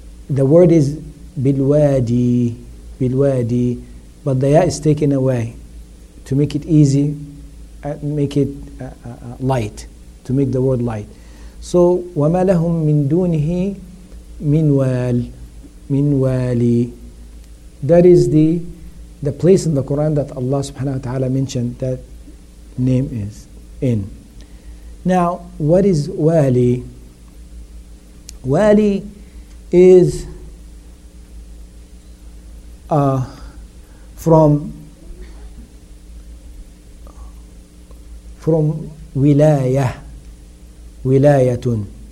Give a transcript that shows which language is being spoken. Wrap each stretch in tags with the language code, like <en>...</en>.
<en>The word is بالوادي بالوادي, but the ya is taken away to make it easy, make it light, to make the word light.</en> <ar>So وما لهم من دونه من وال من والي.</ar> <en>That is the place in the Quran that Allah subhanahu wa ta'ala mentioned that name is in. Now, what is Wali? Wali is from wilaya, wilayatun.</en>